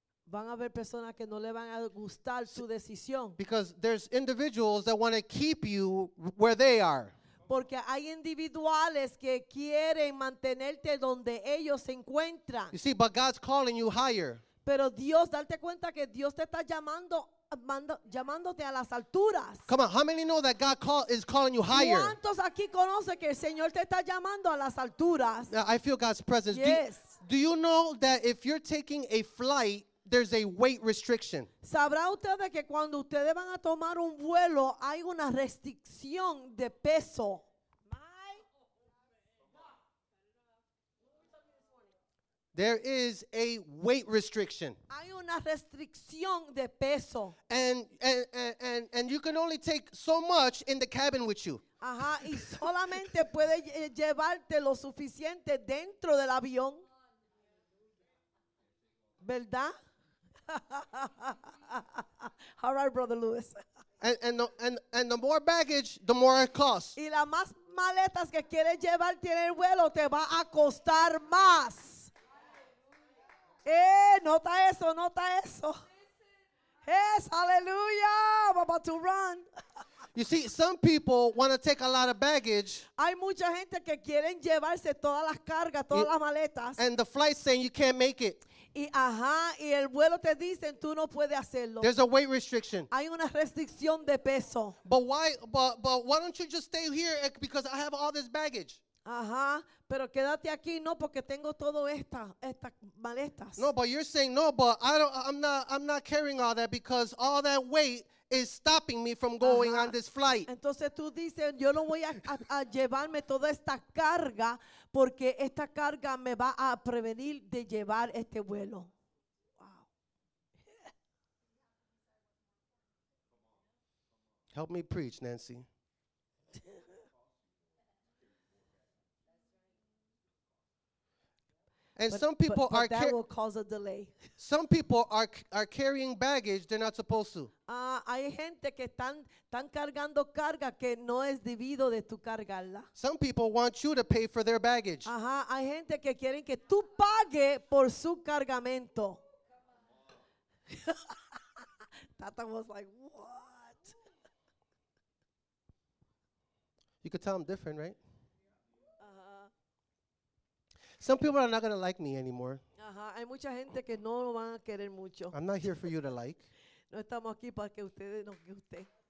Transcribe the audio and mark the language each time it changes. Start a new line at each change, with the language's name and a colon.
Spanish: Van a haber personas que no le van a gustar su decisión.
English: Because there's individuals that want to keep you where they are.
Spanish: Porque hay individuales que quieren mantenerte donde ellos se encuentran.
English: You see, but God's calling you higher.
Spanish: Pero Dios, date cuenta que Dios te está llamando, llamándote a las alturas.
English: Come on, how many know that God is calling you higher?
Spanish: ¿Cuántos aquí conocen que el Señor te está llamando a las alturas?
English: I feel God's presence. Yes. Do you know that if you're taking a flight, there's a weight restriction.
Spanish: ¿Sabrá usted que cuando ustedes van a tomar un vuelo hay una restricción de peso?
English: There is a weight restriction.
Spanish: Hay una restricción de peso.
English: And you can only take so much in the cabin with you.
Spanish: Ajá, y solamente puede llevarte lo suficiente dentro del avión. ¿Verdad?
English: All right, Brother Lewis. And the more baggage, the more it costs.
Spanish: Y las más maletas que quieres llevar tiene el vuelo te va a costar más. Nota eso, nota eso.
English: Yes, hallelujah. I'm about to run. You see, some people want to take a lot of baggage.
Spanish: Hay mucha gente que quieren llevarse todas las cargas, todas las maletas.
English: And the flight saying you can't make it.
Spanish: Y ajá, y el vuelo te dicen tú no puedes hacerlo.
English: There's a weight restriction.
Spanish: Hay una restricción de peso.
English: But why? But why don't you just stay here because I have all this baggage?
Spanish: Ajá, pero quédate aquí no porque tengo todo estas maletas.
English: No, but you're saying no, but I'm not carrying all that because all that weight is stopping me from going on this flight.
Spanish: Entonces tú dices yo no voy a llevarme toda esta carga. Porque esta carga me va a prevenir de llevar este vuelo.
English: Wow. Help me preach, Nancy. And but, some people but are that will cause a delay. Some people are carrying baggage they're not supposed to.
Spanish: Hay gente que están cargando carga que no es debido de tu cargarla.
English: Some people want you to pay for their baggage.
Spanish: Ajá, hay gente que quieren que tú pague por su cargamento.
English: Tata was like, what? You could tell I'm different, right? Some people are not going to like me anymore.
Spanish: Hay mucha gente que no van a querer mucho.
English: I'm not here for you to like.
Spanish: No estamos aquí para que ustedes nos guste.